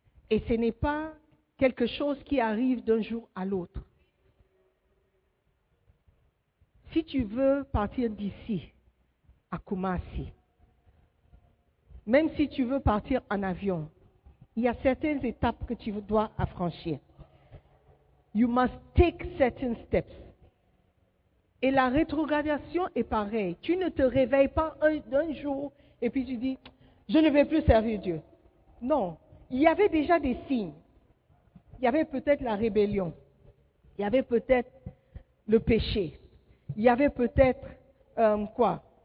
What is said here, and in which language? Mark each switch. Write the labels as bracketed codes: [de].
[fr] Et ce n'est pas quelque chose qui arrive d'un jour à l'autre. Si tu veux partir d'ici, à Kumasi, même si tu veux partir en avion, il y a certaines étapes que tu dois franchir. [en] You must take certain steps. [fr] Et la rétrogradation est pareille. Tu ne te réveilles pas d'un jour et puis tu dis, je ne vais plus servir Dieu. Non. Il y avait déjà des signes. Il y avait peut-être la rébellion. Il y avait peut-être le péché. Il y avait peut-être quoi?